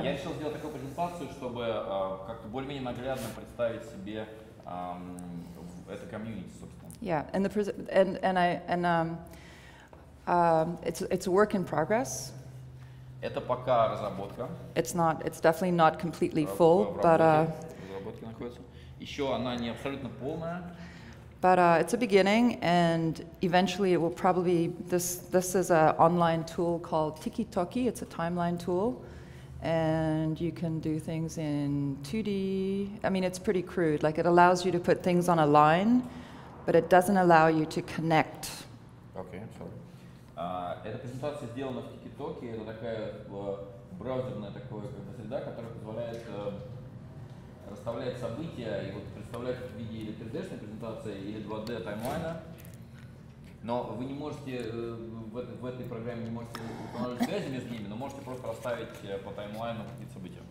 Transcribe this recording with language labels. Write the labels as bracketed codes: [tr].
[ru] решил сделать такую презентацию, чтобы как-то более-менее наглядно представить себе это комьюнити, собственно. [en] It's a work in progress. [ru] Это пока разработка. [en] It's definitely not completely full, [ru] разработки находятся. Еще она не абсолютно полная. [en] But it's a beginning, and eventually it will probably this is an online tool called TikiToki. It's a timeline tool, and you can do things in 2D. I mean, it's pretty crude. Like, it allows you to put things on a line, but it doesn't allow you to connect. Okay, sorry. [ru] Эта презентация сделана в ТикТоке. Это такая браузерная такая как бы среда, которая позволяет расставлять события и вот представлять их в виде или 3D-шной презентации, или 2D таймлайна. Но вы не можете в этой программе не можете устанавливать связи между ними, но можете просто расставить по таймлайну какие-то события.